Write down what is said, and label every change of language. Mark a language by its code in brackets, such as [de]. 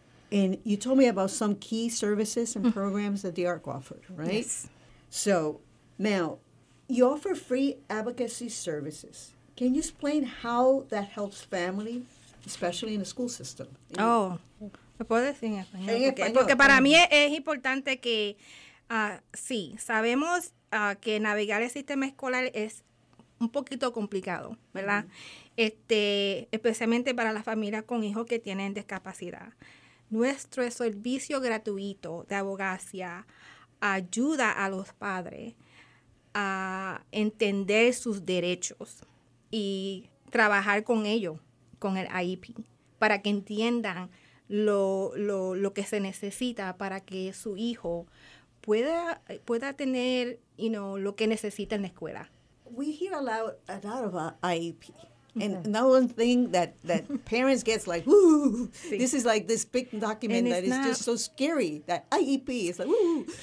[en] And you told me about some key services and programs that the ARC offered, right? Yes. So now, you offer free advocacy services. Can you explain how that helps families, especially in the school system? [es] Oh, ¿me puedo decir en español? Porque para mí es importante que, sí, sabemos que navegar el sistema escolar es un poquito complicado, ¿verdad? Uh-huh. Especialmente para las familias con hijos que tienen discapacidad. Nuestro servicio gratuito de abogacía ayuda a los padres a entender sus derechos y trabajar con ellos, con el IEP, para que entiendan lo que se necesita para que su hijo pueda tener, lo que necesita en la escuela. [en] We hear a lot of IEP, and okay, no one thing that parents gets like, woo, sí, this is like this big document and that is not, just so scary, that IEP is like, woo.